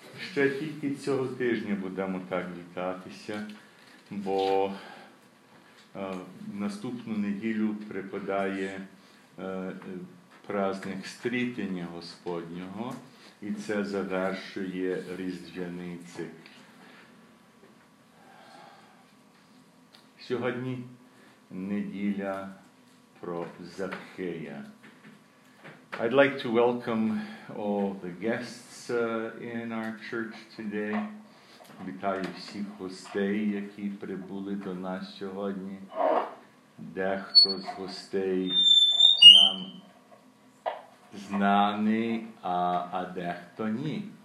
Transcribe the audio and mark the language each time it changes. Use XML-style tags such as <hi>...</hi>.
<uk>Ще тільки цього тижня будемо так вітатися, бо наступну неділю припадає праздник Стрітення Господнього, і це завершує різдвяний цикл. Сьогодні неділя про Закхея.</uk> <en>I'd like to welcome all the guests in our church today.</en> <uk>Вітаю всіх гостей, які прибули до нас сьогодні. Дехто з гостей нам знаний, а дехто ні.</uk>